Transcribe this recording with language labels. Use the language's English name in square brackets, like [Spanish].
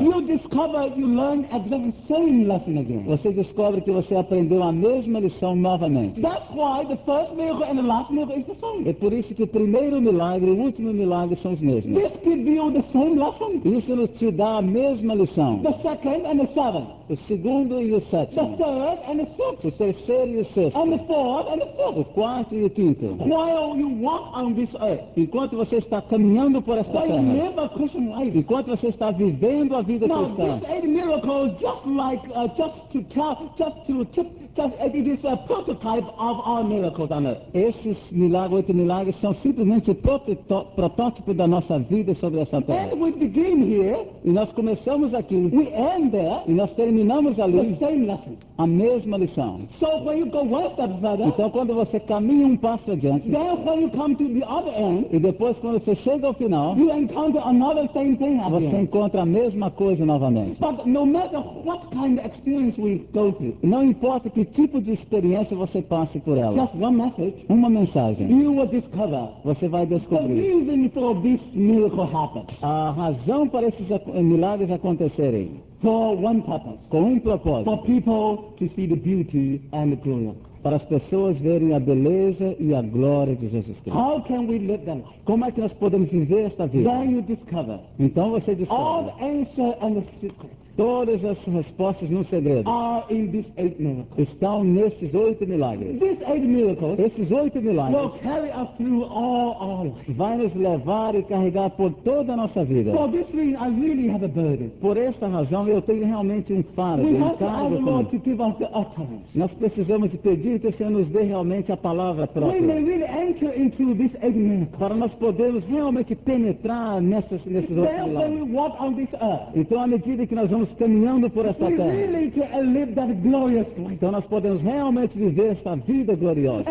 [English] you discover you learn exactly the same lesson again. [Portuguese] Você descobre que você aprendeu a mesma lição novamente. [English] That's why the first miracle and the last miracle is the same. [Portuguese] É por isso que o primeiro milagre e o último milagre são os mesmos. [English] This gives you the same lesson. [Portuguese] Isso nos te dá a mesma lição. [English] The second and the seventh. [Portuguese] O segundo e o sétimo. [English] The third and the sixth. [Portuguese] O terceiro e o sexto. [English] And the fourth and the fifth. [Portuguese] O quarto e o quinto. [English] While you walk on this earth. [Portuguese] Enquanto você está caminhando por esta [English] while [Portuguese] terra. [English] While you live a Christian life. [Portuguese] Enquanto você está vivendo a vida [English] now, [Portuguese] cristã. [English] Now this eight miracles just like it is a prototype of all miracles on earth. [Portuguese] Esses milagres, oito milagres, são simplesmente o protótipo da nossa vida sobre esta terra. [English] And we begin here. [Portuguese] E nós começamos aqui. [English] We end there. [Portuguese] E nós terminamos ali. [English] The same lesson. [Portuguese] A mesma lição. [English] So when you go one step further. [Portuguese] Então quando você caminha um passo adiante. [English] Then when you come to the other end. [Portuguese] E depois quando você chega ao final. [English] You encounter another same thing again. [Portuguese] Você encontra a mesma coisa novamente. [English] But no matter what kind of experience we go through. [Portuguese] Não importa que tipo de experiência você passe por ela. [English] Just one message. [Portuguese] Uma mensagem. [English] You will discover. [Portuguese] Você vai descobrir. [English] The reason for this miracle happens. [Portuguese] A razão para esses milagres acontecerem. [English] For one purpose. [Portuguese] Com um propósito. [English] For people to see the beauty and the glory of God. [Portuguese] Para as pessoas verem a beleza e a glória de Jesus Cristo. [English] How can we live that life? [Portuguese] Como é que nós podemos viver esta vida? [English] Then you discover. [Portuguese] Então você descobre. [English] All the answer and the secret. [Portuguese] Todas as respostas no segredo estão nesses oito milagres. [English] These eight miracles, [Portuguese] esses oito milagres, [English] will carry us through all life. [Portuguese] Vai nos levar e carregar por toda a nossa vida. [English] For this reason, I really have a burden. [Portuguese] Por essa razão, eu tenho realmente um fardo. [English] We [Portuguese] um [English] have [Portuguese] cargo [English] to ask the Lord to give us the utterance. [Portuguese] Nós precisamos pedir que o Senhor nos dê realmente a palavra própria. [English] We may really enter into this eight miracles. [Portuguese] Para nós podermos realmente penetrar nesses oito milagres. [English] Then we walk on this earth. [Portuguese] Então, à medida que nós vamos caminhando por essa terra. [English] Live that glorious life. [Portuguese] Então nós podemos realmente viver esta vida gloriosa.